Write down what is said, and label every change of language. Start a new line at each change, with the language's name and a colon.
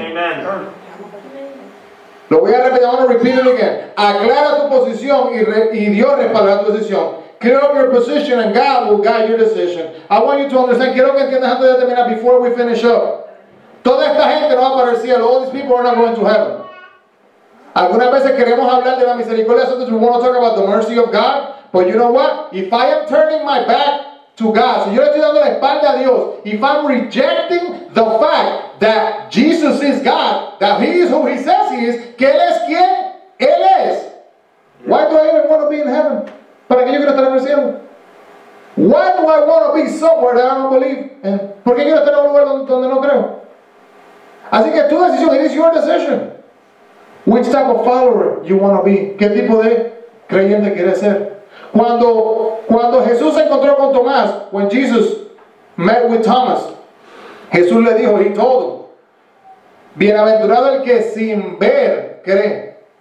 English: Amen.
Spanish: Lo voy a repetir,
English: I want to repeat it again.
Spanish: Aclara tu posición y Dios respaldará tu decisión.
English: Clear up your position and God will guide your decision. I want you to understand.
Spanish: Quiero que entiendas antes de terminar,
English: before we finish up.
Spanish: Toda esta gente no va para el cielo.
English: All these people are not going to heaven.
Spanish: Algunas veces queremos hablar de la misericordia.
English: Sometimes we want to talk about the mercy of God. But you know what? If I am turning my back to God,
Spanish: si yo le estoy dando la espalda a Dios,
English: if I'm rejecting the fact that Jesus is God, that He is who He says He is,
Spanish: que Él es quien Él es,
English: why do I even want to be in heaven?
Spanish: ¿Para qué yo quiero estar en el cielo?
English: Why do I want to be somewhere that I don't believe in?
Spanish: ¿Por qué quiero estar en un lugar donde no creo? Así que tu decisión,
English: it is your decision. Which type of follower you want to be?
Spanish: ¿Qué tipo de creyente quieres ser? Cuando Jesús se encontró con Tomás,
English: when Jesus met with Thomas,
Spanish: Jesús le dijo,
English: he told him,
Spanish: bienaventurado el que sin ver cree.